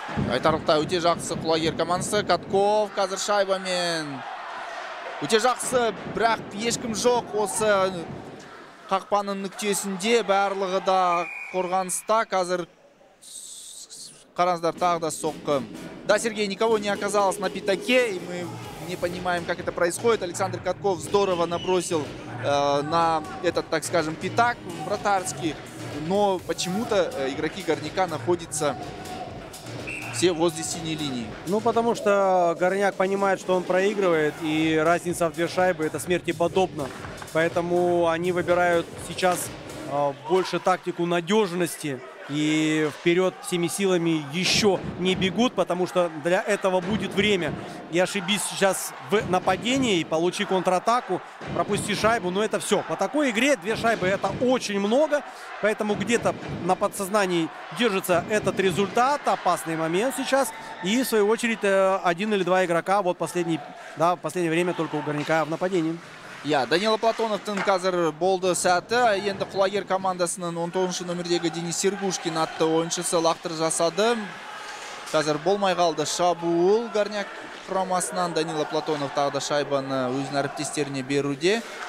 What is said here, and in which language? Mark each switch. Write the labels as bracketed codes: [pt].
[kk] Айтарлықтай өте жақсы Кулагер командасы. Катков қазір шайбамен. Өте жақсы, бірақ ешкім жоқ осы қақпаның нүктесінде. Барлығы да қорғаныста. Қазір қараңыздар, тағы да соққы. [ru] Да, Сергей, никого не оказалось на пятаке. И мы не понимаем, как это происходит. Александр Катков здорово набросил на этот, так скажем, пятак вратарский. Но почему-то игроки Горняка находятся все возле синей линии. Ну, потому что Горняк понимает, что он проигрывает. И разница в две шайбы – это смерти подобно. Поэтому они выбирают сейчас больше тактику надежности. И вперед всеми силами еще не бегут, потому что для этого будет время. И ошибись сейчас в нападении, получи контратаку, пропусти шайбу, но это все. По такой игре две шайбы это очень много, поэтому где-то на подсознании держится этот результат, опасный момент сейчас. И в свою очередь один или два игрока вот последний, да, в последнее время только у Горняка в нападении. [kk] Я Данила Платонов, қазір болды сәті. Енді флагер командасының 19-шы номердегі Денис Сергушкин атты ойыншысы лақтыр жасады. Қазір болмай қалды шабуыл. Горняк құрамасынан Данила Платонов тағы да шайбаны өзінің әріптестеріне беруде.